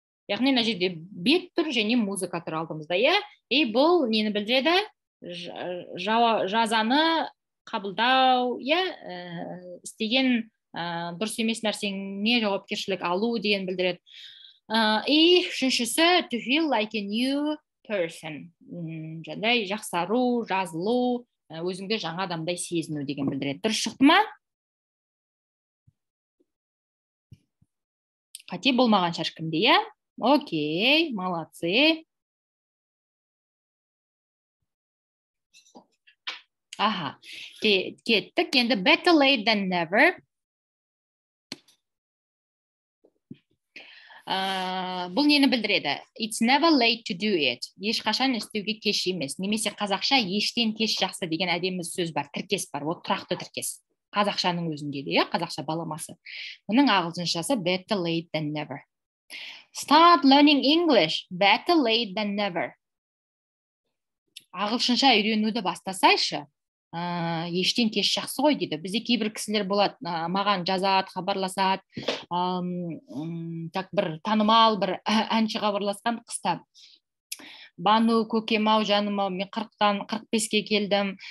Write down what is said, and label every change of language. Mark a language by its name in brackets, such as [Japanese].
[Kazakh] Яғни, мына жерде бет тұр және музыка тұр алдымызда, иә? И бұл нені білдіреді? Жазаны қабылдау, иә? Істеген дұрыс емес нәрсеңе жауапкершілік алу деген білдіреді. И үшіншісі, [English] to feel like a new person. [Kazakh] Жандай, жақсару, жазылу, өзіңді жаңа адамдай сезіну деген білдіреді. Дұрыс шықты ма? Қате болмаған шаршымды, иә? Окей, молодцы. Аха, кеттік. [English] Енді better late than never. [Kazakh] Бұл нені білдіреді? [English] It's never late to do it. [Kazakh] Ешқашан істеуге кеш емес. Немесе қазақша ештен кеш жақсы деген әдемі сөз бар, тіркес бар. Ол тұрақты тіркес. Қазақшаның өзінде де, қазақша баламасы. Бұның ағылшыншасы [English] better late than never. Start learning English better late than never. [Kazakh] Ағылшынша үйренуді бастасайшы. Ештен кеш жақсы ғой дейді. Бізде кейбір кісілер болады, маған жазады, хабарласады. Так бір танымал, бір әнші хабарласқан қыста. Бану көкем ау, жаным ау, мен 40-тан 45-ке келдім.